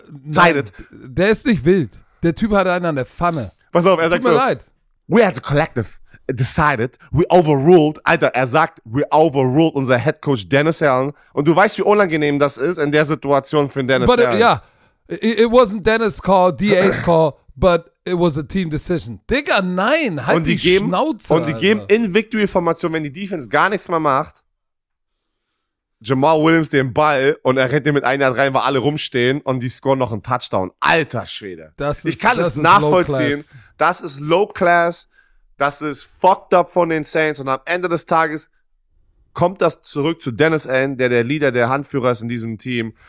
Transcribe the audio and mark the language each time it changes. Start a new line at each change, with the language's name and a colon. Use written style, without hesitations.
German: Zeitet. Der ist nicht wild. Der Typ hat einen an der Pfanne. Pass auf, er sagt. Tut mir leid.
English: We as a collective decided, we overruled,
German: Alter, er sagt,
English: we overruled
German: unser
English: Head Coach Dennis Allen.
German: Und du weißt, wie unangenehm das ist in der Situation für Dennis
English: but Allen. But, it wasn't Dennis' call, DA's call, but it was a team decision.
German: Digga, nein, halt die geben, Schnauze. Und die Alter. Geben in Victory-Formation, wenn die Defense gar nichts mehr macht, Jamal Williams den Ball und er rennt den mit 1 Yard rein, weil alle rumstehen und die scoren noch einen Touchdown. Alter Schwede. Ich kann das nachvollziehen. Das ist low-class. Das ist
English: fucked up
German: von den Saints und am Ende des Tages kommt das zurück zu Dennis Allen, der Leader, der Handführer ist in diesem Team.